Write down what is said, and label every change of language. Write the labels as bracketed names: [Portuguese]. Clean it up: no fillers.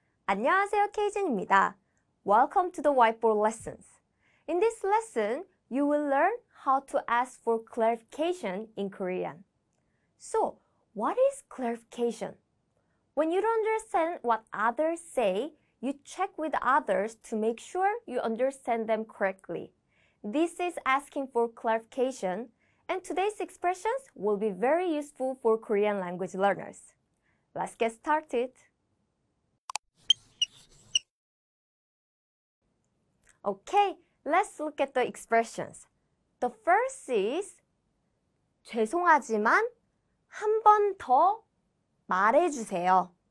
[Korean] 안녕하세요, Keijin입니다. [English] Welcome to the whiteboard lessons. In this lesson, you will learn how to ask for clarification in Korean. So, what is clarification? When you don't understand what others say, you check with others to make sure you understand them correctly. This is asking for clarification, and today's expressions will be very useful for Korean language learners. Let's get started. Okay, let's look at the expressions. The first is [Korean] 죄송하지만 한 번 더 말해주세요.